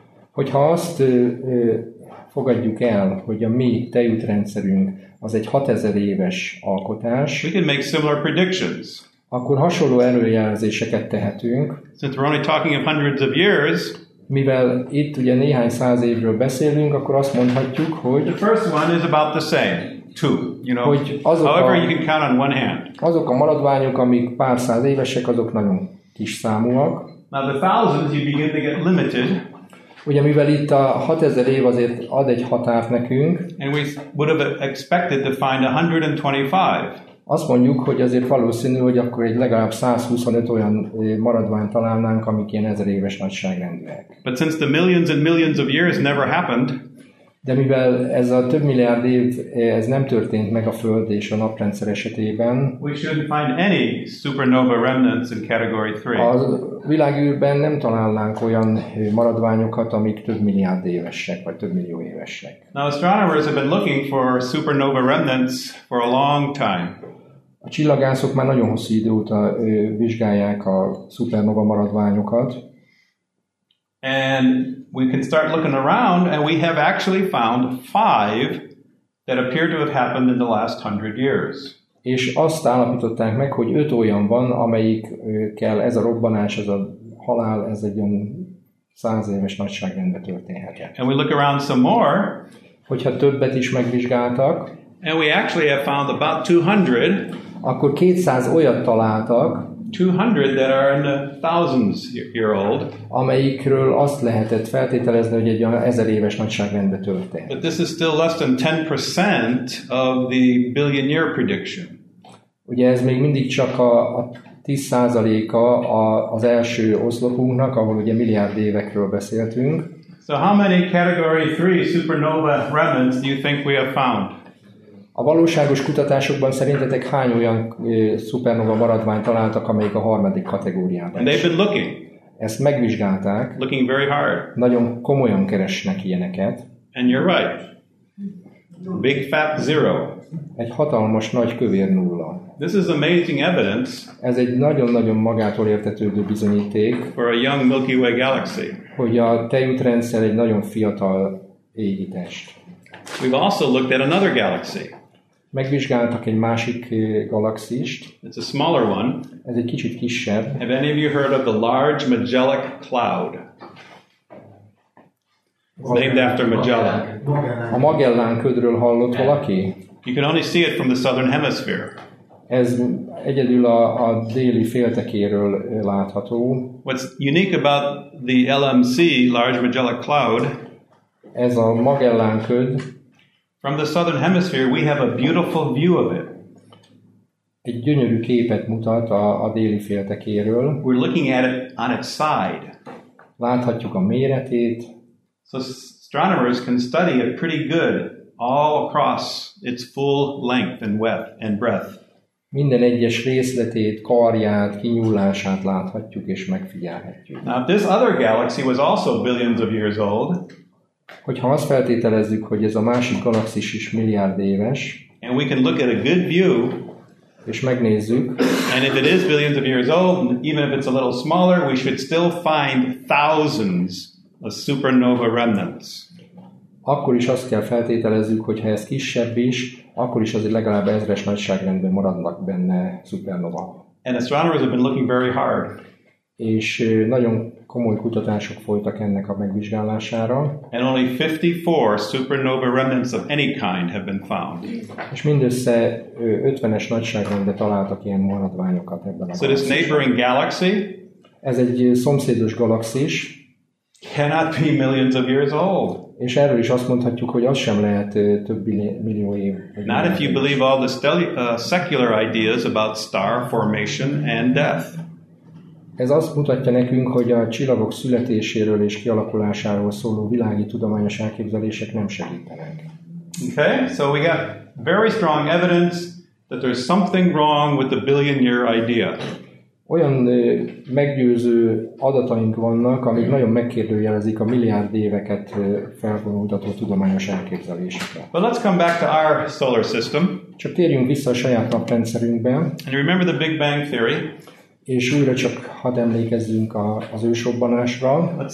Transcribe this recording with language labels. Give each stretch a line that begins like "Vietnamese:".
Hungarian: hogyha azt fogadjuk el, hogy a mi tejútrendszerünk az egy 6000 éves alkotás,
English: we can make similar predictions.
Hungarian: Akkor hasonló előjelzéseket tehetünk.
English: Since we're only talking of hundreds of years,
Hungarian: mivel itt ugye néhány száz évről beszélünk, akkor azt mondhatjuk, hogy
English: the first one is about the same. Two, you know.
Hungarian: Hogy
English: however, you can count on one hand.
Hungarian: Azok a maradványok, amik pár száz évesek, azok nagyon kis számúak.
English: Now the thousands, you begin to get limited.
Hungarian: Ugye mivel itt a 6000 év azért ad egy határt nekünk.
English: And we would have expected to find 125.
Hungarian: Azt mondjuk, hogy azért valószínű, hogy akkor egy legalább 125 olyan maradványt találnánk, amik ilyen ezer éves nagyságrendűek.
English: But since the millions and millions of years never happened.
Hungarian: De mivel ez a több milliárd év ez nem történt meg a Föld és a naprendszer esetében,
English: we shouldn't find any supernova remnants in category 3.
Hungarian: A világűrben nem találnánk olyan maradványokat, amik több milliárd évesek vagy több millió évesek.
English: Now astronomers have been looking for supernova remnants for a long time.
Hungarian: A csillagászok már nagyon hosszú idő óta vizsgálják a szupernova maradványokat.
English: And we can start looking around, and we have actually found 5 that appear to have happened in the last 100 years.
Hungarian: És azt állapították meg, hogy 5 olyan van, amelyikkel ez a robbanás, ez a halál, ez egy olyan 100 éves nagyságrendben történhetett.
English: And we look around some more,
Hungarian: hogyha többet is megvizsgáltak,
English: and we actually have found about 200,
Hungarian: akkor 200 olyat találtak,
English: 200 that are in the thousands year old.
Hungarian: Amelyikről azt lehetett feltételezni, hogy egy ezer éves nagyságrendben történt.
English: But this is still less than 10% of the billion year prediction.
Hungarian: Ugye ez még mindig csak a 10%-a az első oszlopunknak, ahol ugye milliárd évekről beszéltünk.
English: So how many category 3 supernova remnants do you think we have found?
Hungarian: A valóságos kutatásokban szerintetek hány olyan szupernova maradványt találtak, amelyik a harmadik kategóriában?
English: And they've been looking.
Hungarian: Ezt megvizsgálták.
English: Looking very hard.
Hungarian: Nagyon komolyan keresnek ilyeneket.
English: And you're right. Big fat zero.
Hungarian: Egy hatalmas nagy kövér nulla.
English: This is amazing evidence.
Hungarian: Ez egy nagyon-nagyon magától értetődő bizonyíték.
English: For a young Milky Way galaxy.
Hungarian: Hogy a tejútrendszer egy nagyon fiatal égitest.
English: We've also looked at another galaxy.
Hungarian: Megvizsgáltak egy másik galaxist.
English: It's a smaller one.
Hungarian: Ez egy kicsit kisebb.
English: Have any of you heard of the Large Magellan Cloud? It's named after Magellan.
Hungarian: A Magellán ködről hallott valaki?
English: You can only see it from the southern hemisphere.
Hungarian: Ez egyedül a déli féltekéről látható.
English: What's unique about the LMC, Large Magellan Cloud?
Hungarian: Ez a Magellán köd.
English: From the southern hemisphere we have a beautiful view of it.
Hungarian: Egy gyönyörű képet mutat a déli féltekéről.
English: We're looking at it on its side.
Hungarian: Láthatjuk a méretét.
English: So astronomers can study it pretty good all across its full length and width and breadth.
Hungarian: Minden egyes részletét, karját, kinyúlását láthatjuk és megfigyelhetjük.
English: Now this other galaxy was also billions of years old.
Hungarian: Hogyha azt feltételezzük, hogy ez a másik galaxis is milliárd éves,
English: and we can look at a good view,
Hungarian: és megnézzük,
English: and if it is billions of years old, even if it's a little smaller, we should still find thousands of supernova remnants.
Hungarian: Akkor is azt kell feltételezzük, hogy ha ez kisebb is, akkor is azért legalább ezres nagyságrendben maradnak benne szupernova.
English: And astronomers have been looking very hard.
Hungarian: És nagyon komoly kutatások folytak ennek a megvizsgálására.
English: And only 54 supernova remnants of any kind have been found.
Hungarian: És mindössze 50-es nagyságrendben találtak ilyen maradványokat ebben a galaxisban.
English: So this neighboring galaxy?
Hungarian: Ez egy szomszédos galaxis.
English: Cannot be millions of years old.
Hungarian: És erről is azt mondhatjuk, hogy az sem lehet több millió év.
English: Not if you believe all the secular ideas about star formation and death.
Hungarian: Ez azt mutatja nekünk, hogy a csillagok születéséről és kialakulásáról szóló világi tudományos elképzelések nem segítenek.
English: Okay, so we got very strong evidence that there's something wrong with the billion year idea.
Hungarian: Olyan meggyőző adataink vannak, amik nagyon megkérdőjelezik a milliárd éveket felvonultató tudományos elképzelésekre.
English: But let's come back to our solar system.
Hungarian: Csak térjünk vissza a saját naprendszerünkbe.
English: And remember the Big Bang theory.
Hungarian: És újra csak hadd emlékezzünk az ősrobbanásra.